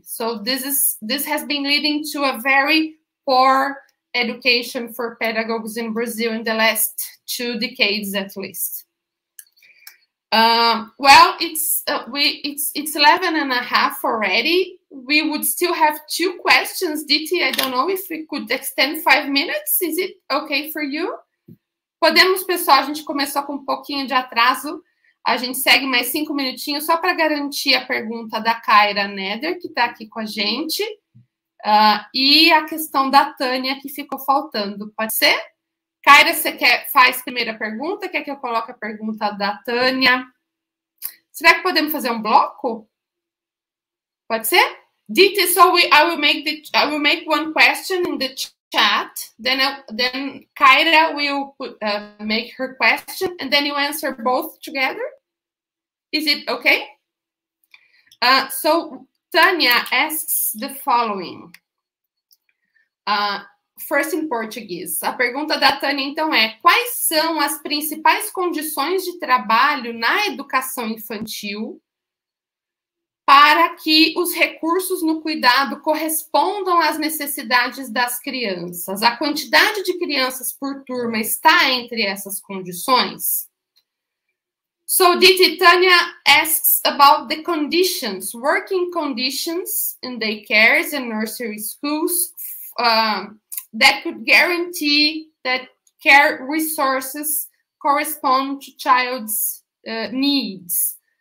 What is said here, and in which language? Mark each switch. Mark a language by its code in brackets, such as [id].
[en] So this has been leading to a very poor education for pedagogues in Brazil in the last 2 decades, at least. It's 11 and a half already. We would still have 2 questions. Diti, I don't know if we could extend 5 minutes. Is it okay for you? [pt] Podemos, pessoal, a gente começou com um pouquinho de atraso. A gente segue mais 5 minutinhos só para garantir a pergunta da Kaira Neder, que está aqui com a gente. E a questão da Tânia que ficou faltando, pode ser? Kaira, você faz primeira pergunta? Quer que eu coloque a pergunta da Tânia? Será que podemos fazer um bloco? Pode ser? [en] Dita, so I will make one question in the chat, then Kaira will make her question, and then you answer both together. Is it okay? So Tânia asks the following. First in Portuguese. [pt] A pergunta da Tânia, então, é: quais são as principais condições de trabalho na educação infantil para que os recursos no cuidado correspondam às necessidades das crianças? A quantidade de crianças por turma está entre essas condições? [en] So, Diti, Tânia asks about the conditions, working conditions in daycares and nursery schools that could guarantee that care resources correspond to child's needs.